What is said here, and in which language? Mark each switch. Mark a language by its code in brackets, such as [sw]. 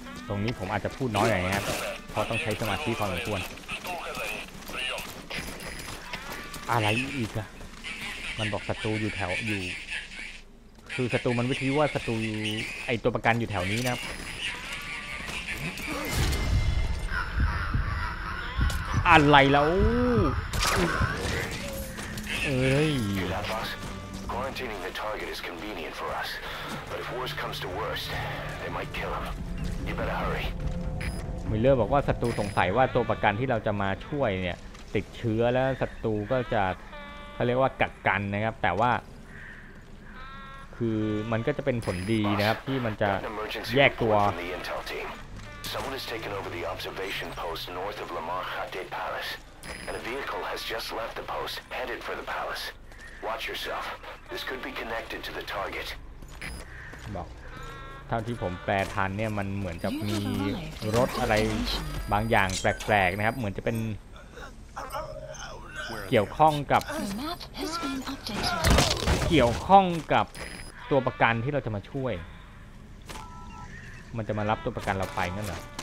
[th] รงนี้ผมอาจจะพูดน้อยหน่อยนะครับเพราะต้องใช้สมาธิพอสมควรอะไรอีกอะมันบอกศัตรูอยู่แถวอยู่คือศัตรูมันวิทยุว่าศัตรูไอตัวประกันอยู่แถวนี้นะอะไรแล้วเอ้ย [en] Quarantining the target is convenient for us, but if worse comes to worst, they might kill him. You better hurry. [th] มิลเลอร์บอกว่าศัตรูสงสัยว่าตัวประกันที่เราจะมาช่วยเนี่ยติดเชื้อแล้วศัตรูก็จะเขาเรียกว่ากักกันนะครับแต่ว่าคือมันก็จะเป็นผลดีนะครับที่มันจะแยกตัว [en] Someone has taken over the observation post north of Lamar Hadid Palace, and a vehicle has just left the post headed for the palace. Watch yourself. This could be connected to the target. [th] บอกเท่าที่ผมแปลทันเนี่ยมันเหมือนจะมีรถอะไรบางอย่างแปลกๆนะครับเหมือนจะเป็นเกี่ยวข้องกับตัวประกันที่เราจะมาช่วยมันจะมารับตัวประกันเราไปนั่นเหรอ